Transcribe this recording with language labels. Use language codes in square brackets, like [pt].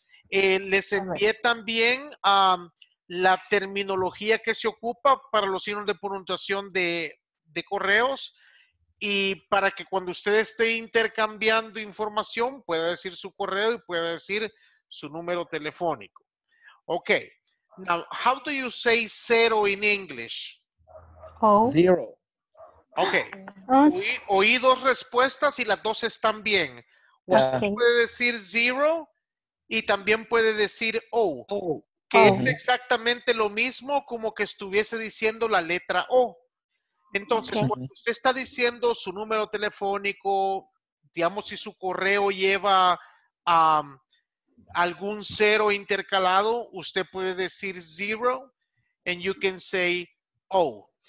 [es] Les envié también la terminología que se ocupa para los signos de puntuación de correos y para que cuando usted esté intercambiando información pueda decir su correo y pueda decir su número telefónico. [en] Okay. Now, how do you say zero in English? Oh. Zero. Okay. [es] Oí dos respuestas y las dos están bien. Usted puede decir zero y también puede decir oh, que es exactamente lo mismo como que estuviese diciendo la letra O. Entonces, cuando usted está diciendo su número telefónico, digamos si su correo lleva algún cero intercalado, usted puede decir zero [en] and you can say oh.